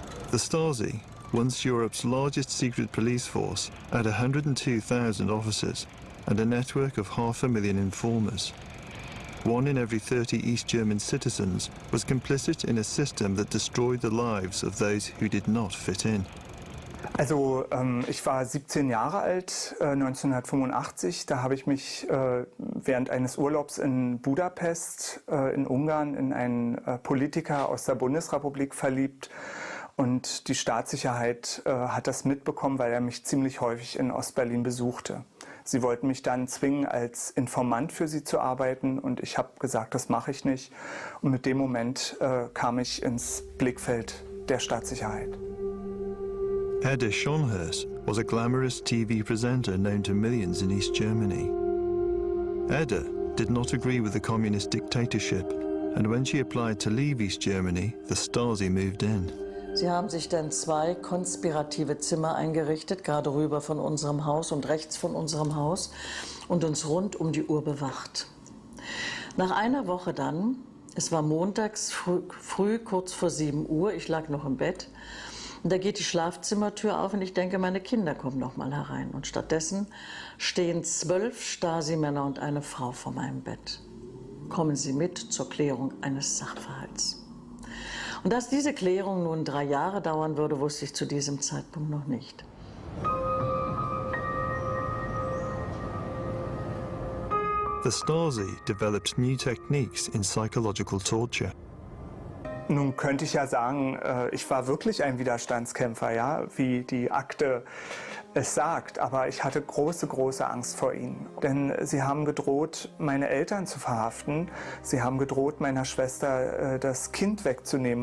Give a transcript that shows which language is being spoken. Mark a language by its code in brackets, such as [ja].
[en] The Stasi, once Europe's largest secret police force, had 102,000 officers and a network of 500,000 informers. One in every 30 East German citizens was complicit in a system that destroyed the lives of those who did not fit in. [de] Also, ich war 17 Jahre alt, 1985. Da habe ich mich während eines Urlaubs in Budapest, in Ungarn, in einen Politiker aus der Bundesrepublik verliebt. Und die Staatssicherheit hat das mitbekommen, weil er mich ziemlich häufig in Ostberlin besuchte. Sie wollten mich dann zwingen, als Informant für sie zu arbeiten. Und ich habe gesagt, das mache ich nicht. Und mit dem Moment kam ich ins Blickfeld der Staatssicherheit. [en] Edda Schonhurst was a glamorous TV presenter known to millions in East Germany. Edda did not agree with the communist dictatorship, and when she applied to leave East Germany, the Stasi moved in. [de] Sie haben sich dann zwei konspirative Zimmer eingerichtet, gerade rüber von unserem Haus und rechts von unserem Haus, und uns rund um die Uhr bewacht. Nach einer Woche dann, es war montags früh, kurz vor 7 Uhr, ich lag noch im Bett, und da geht die Schlafzimmertür auf und ich denke, meine Kinder kommen noch mal herein. Und stattdessen stehen 12 Stasi-Männer und eine Frau vor meinem Bett. Kommen Sie mit zur Klärung eines Sachverhalts. Und dass diese Klärung nun 3 Jahre dauern würde, wusste ich zu diesem Zeitpunkt noch nicht. [en] The Stasi developed new techniques in psychological torture. [de] Nun könnte ich ja sagen, ich war wirklich ein Widerstandskämpfer, ja, wie die Akte es sagt. Aber ich hatte große, große Angst vor ihnen. Denn sie haben gedroht, meine Eltern zu verhaften. Sie haben gedroht, meiner Schwester das Kind wegzunehmen.